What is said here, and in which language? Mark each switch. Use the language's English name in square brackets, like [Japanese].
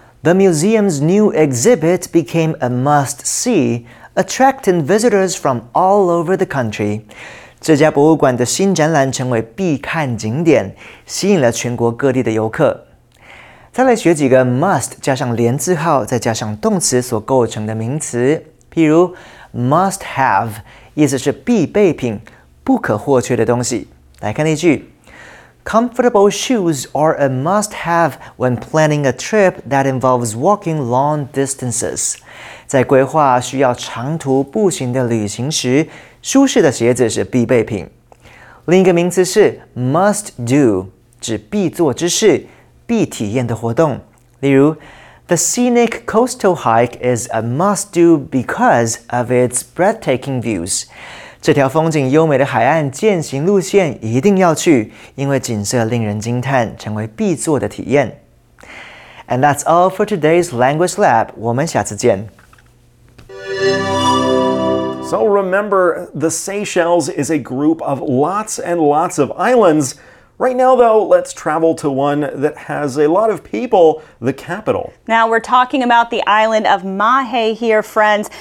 [English] the museum's new exhibit became a must-see, attracting visitors from all over the country. [Chinese] 这家博物馆的新展览成为必看景点，吸引了全国各地的游客。再来学几个 must 加上连字号再加上动词所构成的名词，譬如 must have 意思是必备品，不可或缺的东西。来看例句， [English] Comfortable shoes are a must have when planning a trip that involves walking long distances. [Chinese] 在规划需要长途步行的旅行时，舒适的鞋子是必备品。另一个名词是 must do， 指必做之事、必体验的活动。例如 [English] ，The scenic coastal hike is a must do because of its breathtaking views。 [Chinese] 这条风景优美的海岸健行路线一定要去，因为景色令人惊叹，成为必做的体验。 [English] And that's all for today's language lab。 [Chinese] 我们下次见。 [English] So remember, the Seychelles is a group of lots and lots of islands. Right now, though, let's travel to one that has a lot of people, the capital. Now, we're talking about the island of Mahé here, friends.